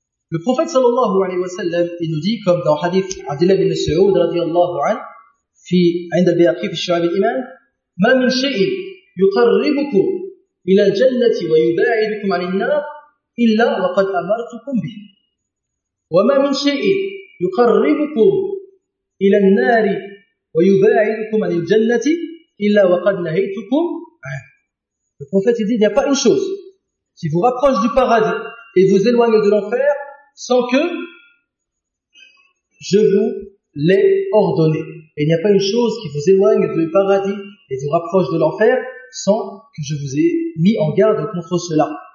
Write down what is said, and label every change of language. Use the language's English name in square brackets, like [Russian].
[French] Le prophète sallallahu alayhi wa sallam, il nous dit, comme dans le hadith Abdullah ibn Mas'ud radiallahu anhu, [Arabic] عند البيهقي في شعب الإيمان, ما من شيء يقربكم إلى الجنة ويباعدكم عن النار إلا وقد أمرتكم به. وما من شيء يقربكم إلى النار ويباعدكم عن الجنة إلا وقد نهيتكم عنه. [French] Le prophète dit, il n'y a pas une chose qui vous rapproche du paradis et vous éloigne de l'enfer sans que je vous l'ai ordonné. Et il n'y a pas une chose qui vous éloigne du paradis et vous rapproche de l'enfer sans que je vous ai mis en garde contre cela.